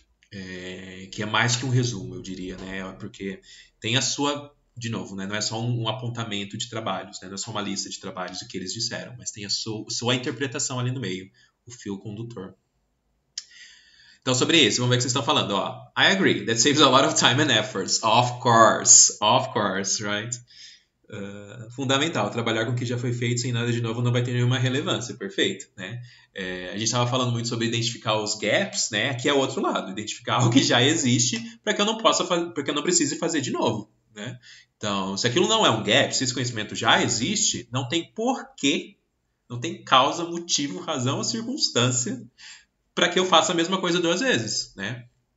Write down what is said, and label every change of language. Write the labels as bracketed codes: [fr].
[pt] Que é mais que um resumo, eu diria, né? Porque tem a sua, de novo, né? Não é só um apontamento de trabalhos, né? Não é só uma lista de trabalhos o que eles disseram, mas tem a sua interpretação ali no meio, o fio condutor. Então, sobre isso, vamos ver o que vocês estão falando. [en] Ó, I agree, that saves a lot of time and efforts. Of course, right? [pt] Fundamental, trabalhar com o que já foi feito sem nada de novo não vai ter nenhuma relevância, perfeito, né? A gente estava falando muito sobre identificar os gaps, né? Aqui é o outro lado, identificar o que já existe para que eu não possa fazer, para que eu não precise fazer de novo, né? Então, se aquilo não é um gap, se esse conhecimento já existe, não tem porquê, não tem causa, motivo, razão ou circunstância para que eu faça a mesma coisa duas vezes, né?